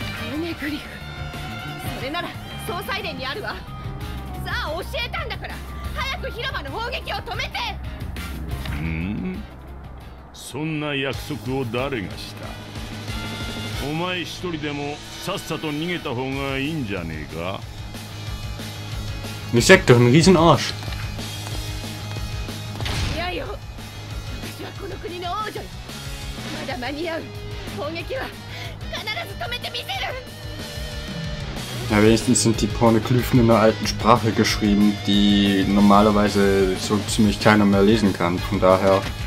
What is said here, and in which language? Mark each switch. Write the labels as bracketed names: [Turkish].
[German] ポニクリフ、stimmt、die gab's ja auch noch。 [Japanese] それなら総裁殿にあるわ。さあ教えたんだから、早く広場の砲撃を止めて。うん。そんな約束を誰がした。お前一人でもさっさと逃げた方がいいんじゃねえか。ニセクトン、リーズンアーシ。いやよ。私はこの国の王女よ。まだ間に合う。攻撃は必ず止めてみせる。 [German] Ja, wenigstens sind die Poneglyphen in der alten Sprache geschrieben, die normalerweise so ziemlich keiner mehr lesen kann, von daher.